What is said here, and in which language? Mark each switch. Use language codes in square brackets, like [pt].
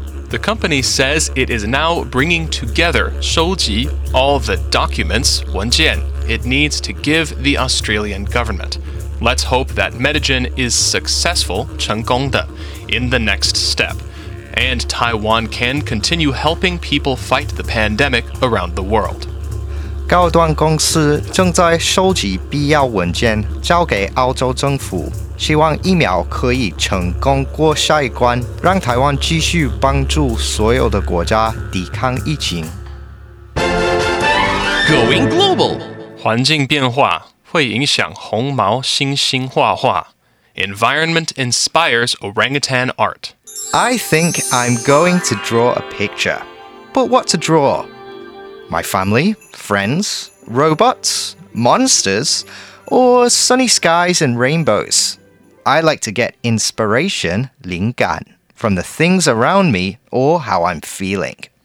[en] The company says it is now bringing together, 收集, all the documents, 文件, it needs to give the Australian government. Let's hope that Medigen is successful, 成功的, in the next step. And Taiwan can continue helping people fight the pandemic around the world. [zh] 高端公司正在收集必要文件交给澳洲政府。希望疫苗可以成功过下一关，让台湾继续帮助所有的国家抵抗疫情。 [en] Going global， [zh] 环境变化会影响红毛猩猩画画。 [en] Environment inspires orangutan art. I think I'm going to draw a picture. But what to draw? My family, friends, robots, monsters, or sunny skies and rainbows? I like to get inspiration, 灵感, from the things around me or how I'm feeling.